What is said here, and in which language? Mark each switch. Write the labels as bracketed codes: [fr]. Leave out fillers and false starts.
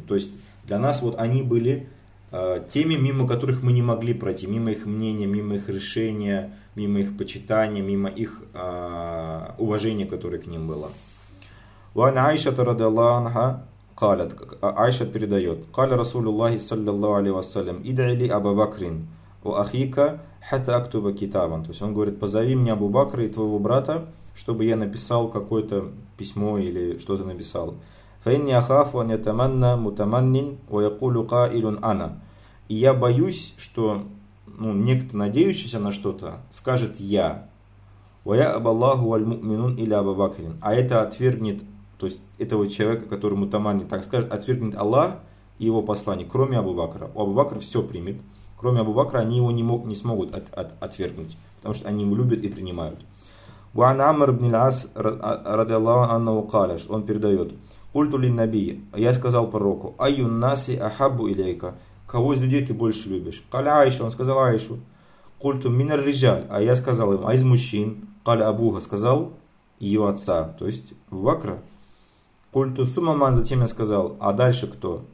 [ru] То есть для нас вот они были теми, мимо которых мы не могли пройти, мимо их мнения, мимо их решения, мимо их почитания, мимо их уважения, которое к ним было. [ar] Ва Аиша радиаллаху анха قالت [ru] Аиша передает: [ar] قال رسول الله صلى الله عليه وسلم ادع لي ابو بكر واخيك حتى اكتب كتابا. [ru] То есть он говорит: позови мне Абу Бакра и твоего брата, чтобы я написал какое-то письмо или что-то написал. [ar] «Фэйнни ахафу ан ятаманна мутаманнин ва якулу каилун ана». [ru] И я боюсь, что некто, надеющийся на что-то, скажет «я». [ar] «Ва я аб Аллаху валь му'минун или аб Бакрин». [ru] А это отвергнет, то есть этого человека, который мутаманнин, так скажет, отвергнет Аллах и его послание, кроме Абу Бакра. У Абу Бакра все примет. Кроме Абу Бакра они его не смогут отвергнуть, потому что они его любят и принимают. [ar] وعن عمر بن العاص رضي الله عنه قال [ru] он передает: [ar] قلت للنبي [ru] я сказал пророку: [ar] أي الناس أحب إليك, [ru] кого из людей ты больше любишь? [ar] قال عائشة [ru] он сказал [ar] عائشة. قلت من الرجال [ru] а я сказал ему: а из мужчин? [ar] قال أبوها [ru] сказал ее отца, то есть Абу Бакра. [ar] قلت ثم من [ru] затем я сказал: а дальше кто?